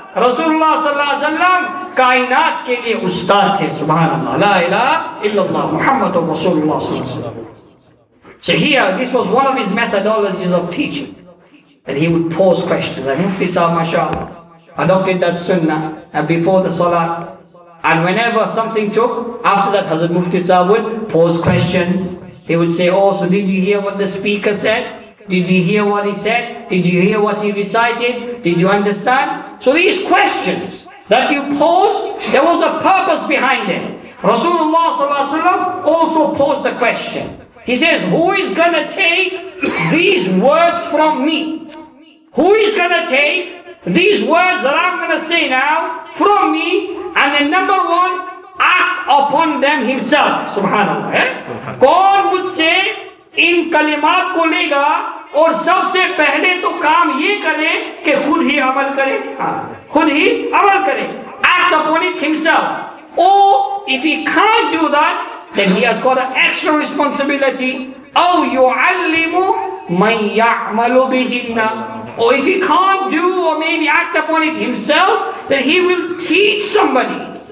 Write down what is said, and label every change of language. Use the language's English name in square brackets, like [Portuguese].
[Urdu] رسول اللہ صلی اللہ علیہ وسلم کائنات کے لیے استاد تھے. [Arabic] سبحان اللہ, لا الہ الا اللہ محمد رسول اللہ صلی اللہ علیہ وسلم. [English] So here, this was one of his methodologies of teaching, that he would pose questions. And Mufti Sahib, mashallah, adopted that sunnah and before the salah, and whenever something took, after that Hazrat Mufti Sahib would pose questions. He would say, oh, so did you hear what the speaker said? Did you hear what he said? Did you hear what he recited? Did you understand? So these questions that you posed, there was a purpose behind it. Rasulullah sallallahu alaihi wasallam also posed the question. He says, who is gonna take these words from me? Who is gonna take these words that I'm gonna say now from me? And then number one, act upon them himself. Subhanallah. Eh? God would say, [Urdu] ان کلمات کو لے گا اور سب سے پہلے تو کام یہ کرے کہ خود ہی عمل کرے. خود ہی عمل کرے. [English] Act upon it himself. Or if he can't do that, then he has got an extra responsibility. [Arabic] او يعلم من يعمل بهن. [English] Or if he can't do or maybe act upon it himself, then he will teach somebody.